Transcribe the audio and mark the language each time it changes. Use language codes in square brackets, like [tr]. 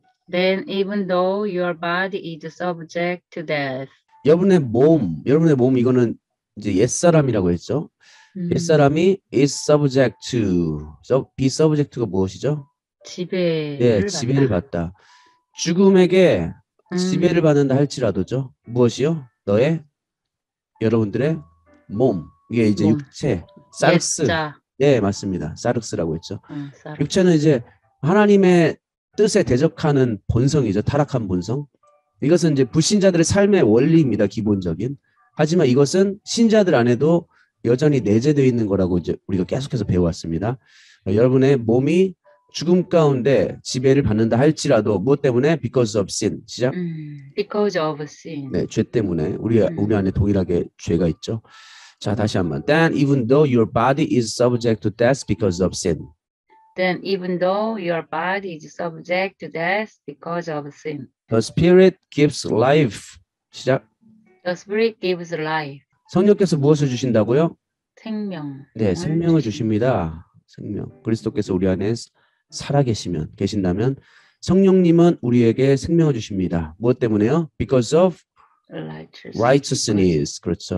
[en] Then even though your body is subject to death. [ko] 여러분의 몸 이거는 이제 옛사람이라고 했죠. 옛사람이 [en] is subject to, be subject가 [ko] 무엇이죠? 예, 지배를 지배를 받다. 받다. 죽음에게 지배를 받는다 할지라도죠. 무엇이요? 너의 여러분들의 몸, 이게 이제 몸. 육체, 사르스. 옛자. 네, 맞습니다. 사르스라고 했죠. 사르스. 육체는 이제 하나님의 뜻에 대적하는 본성이죠. 타락한 본성. 이것은 이제 불신자들의 삶의 원리입니다. 기본적인. 하지만 이것은 신자들 안에도 여전히 내재되어 있는 거라고 이제 우리가 계속해서 배워왔습니다. 여러분의 몸이 죽음 가운데 지배를 받는다 할지라도 무엇 때문에? [en] Because of sin. [ko] 시작. [en] Because of sin. [ko] 네, 죄 때문에 우리 안에 동일하게 죄가 있죠. 자, 다시 한번. [en] Then even though your body is subject to death because of sin. Then even though your body is subject to death because of sin, The Spirit gives life. [ko] 시작. [en] the spirit gives life. [ko] 성령께서 무엇을 주신다고요? 생명을 네, 생명을 주신. 주십니다. 생명. 그리스도께서 우리 안에 살아계시면, 계신다면 성령님은 우리에게 생명을 주십니다. 무엇 때문에요? [en] Because of righteousness. [ko] 그렇죠.